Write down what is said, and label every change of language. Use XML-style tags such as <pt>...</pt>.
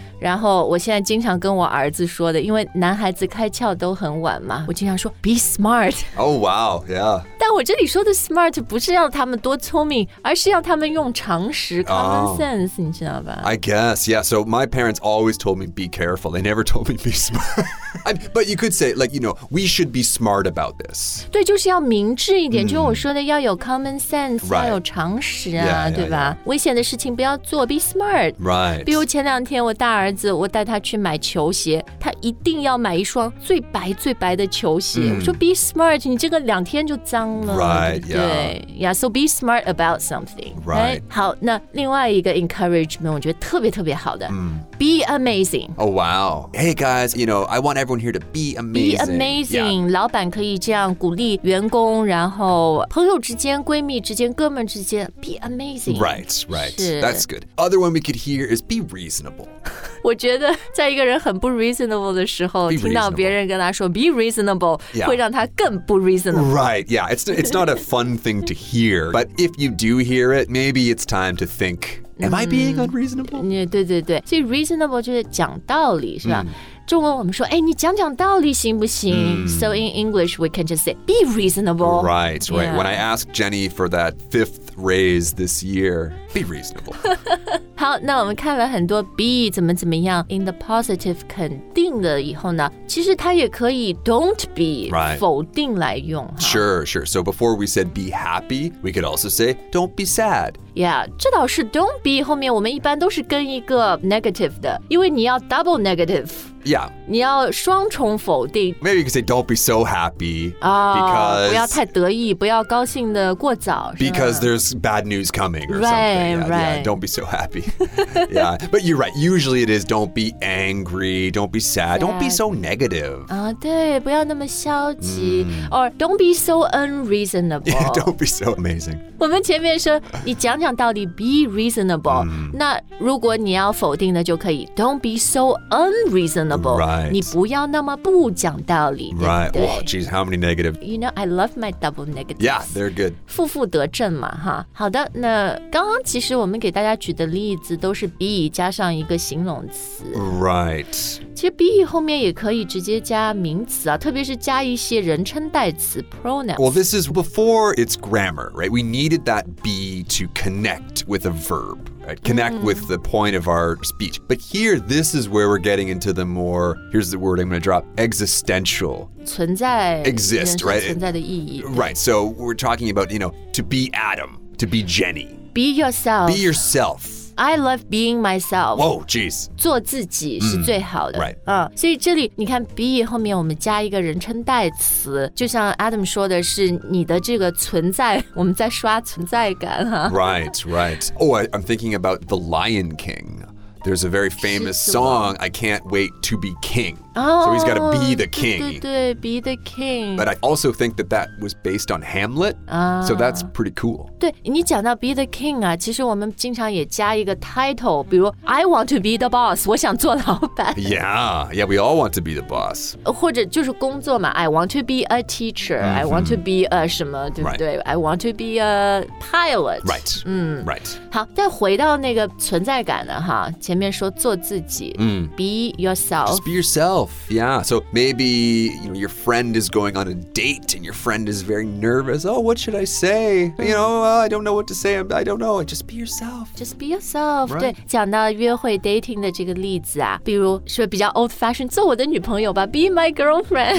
<zh>然后我现在经常跟我儿子说的，因为男孩子开窍都很晚嘛，我经常说</zh> <en>be smart. Oh, wow, yeah.</en> <zh>但我这里说的 smart 不是要他们多聪明，而是要他们用常识 common sense, 你知道吧？</zh> <en>I guess, yeah. So my parents always told me be careful. They never told me be smart. But you could say, like, you know, we should be smart about this.</en> <zh>对，就是要明智一点，就我说的要有 common sense,、</zh> <en>right.</en> <zh>要有常识啊，</zh> <en>yeah,</en> <zh>对吧？</zh> <en>Yeah, yeah.</en> <zh>危险的事情不要做</zh> <en>be smart. Right.</en> <zh>比如前两天我大儿子，我带他去买球鞋，他一定要买一双最白最白的球鞋。我说</zh> <en>be smart,</en> <zh>你这个两天就脏了。</zh> <en>Right,</en> <zh>对</zh> <en>yeah. Yeah, so be smart about something. Right.</en> <zh>好，那另外一个 encouragement, 我觉得特别特别好的。</zh> <en>Be amazing. Oh, wow. Hey, guys, you know, I want everyone here to be amazing. Be amazing.、Yeah.</en> <zh>老板可以这样鼓励员工，然后朋友之间、闺蜜之间、哥们之间</zh> <en>be amazing. Right, right. That's good. Other one we could hear is be reasonable.</en> <zh>我觉得在一个人很不 reasonable 的时候听到别人跟他说</zh> <en>be reasonable、 yeah.</en> <zh>会让他更不 reasonable.</zh> <en>Right, yeah. It's not a fun thing to hear. But if you do hear it, maybe it's time to think, am I being unreasonable?、</en> <zh>嗯、对对对。所以 reasonable 就是讲道理是吧、嗯中文我们说哎你讲讲道理行不行、mm.</zh> <en>So in English, we can just say, be reasonable. Right, right.、Yeah. When I asked Jenny for that fifth raise this year, be reasonable.</en> <zh>好那我们看了很多 be 怎么怎么样</zh> <en>in the positive</en> <zh>肯定的以后呢其实它也可以</zh> <en>don't be、 right.</en> <zh>否定来用。</zh> <en>Sure, sure. So before we said be happy, we could also say don't be sad.</en> <zh>Yeah, 这倒是</zh> <en>don't be</en> <zh>后面我们一般都是跟一个 negative 的因为你要</zh> <en>double negative. Yeah.</en> <zh>你要双重否定。</zh> <en>Maybe you could say don't be so happy.</en> <zh>Because 不要太得意不要高兴的过早。</zh> <en>Because there's bad news coming or right, something. Yeah, right. Yeah, don't be so happy. yeah. But you're right. Usually it is don't be angry. Don't be sad. Don't be so negative.</en> <zh>啊、对不要那么消极。</zh> <en>Or don't be so unreasonable. Yeah, don't be so amazing.</en> <zh>我们前面说你讲讲道理</zh> <en>be reasonable.、</en> <zh>Mm. 那如果你要否定的就可以</zh> <en>don't be so unreasonable. Right.</en> <zh>你不要那么不讲道理</zh> <en>Right.</en> <zh>对不对</zh> <en>Oh, geez, how many negatives? You know, I love my double negatives. Yeah, they're good.</en> <zh>负负得正嘛哈。好的，那刚刚其实我们给大家举的例子都是 be 加上一个形容词。</zh> <en>Right.</en> <zh>其实 be 后面也可以直接加名词啊，特别是加一些人称代词 pronouns.</zh> <en>Well, this is before it's grammar, right? We needed that be to connect with a verb. Right, connect、mm. with the point of our speech. But here, this is where we're getting into the more, here's the word I'm going to drop, existential.</en> <zh>存在</zh> <en>Exist, right?</en> <zh>存在的意义</zh> <en>Right, so we're talking about, you know, to be Adam, to be Jenny. Be yourself. Be yourself. I love being myself. Whoa, geez.</en> <zh>做自己是最好的。</zh> <en>Right.</en> <zh>所以这里你看 be 后面我们加一个人称代词就像 Adam 说的是你的这个存在我们在刷存在感。</zh> <en>Right, right. Oh, I'm thinking about The Lion King. There's a very famous song, I Can't Wait to Be King. Oh, so he's got to be the king.</en> <zh>对对对</zh> <en>be the king. But I also think that that was based on Hamlet.、So that's pretty cool.</en> <zh>对你讲到</zh> <en>be the king</en> <zh>啊其实我们经常也加一个 title, 比如</zh> <en>I want to be the boss,</en> <zh>我想做老板。</zh> <en>Yeah, we all want to be the boss. 或者就是工作嘛 I want to be a teacher,、mm-hmm. I want to be a</en> <zh>什么对不对、</zh> <en>right. I want to be a pilot. Right,、right.</en> <zh>好再回到那个存在感呢哈前面说做自己、</zh> <en>be yourself. Just be yourself. Yeah, so maybe you know, your friend is going on a date and your friend is very nervous. Oh, what should I say? You know, I don't know what to say. I don't know. Just be yourself. Just be yourself. Right.</en> <zh>对，讲到约会 dating 的这个例子啊，比如是比较 old fashioned， 做我的女朋友吧 ，</zh> <en>be my girlfriend.</en>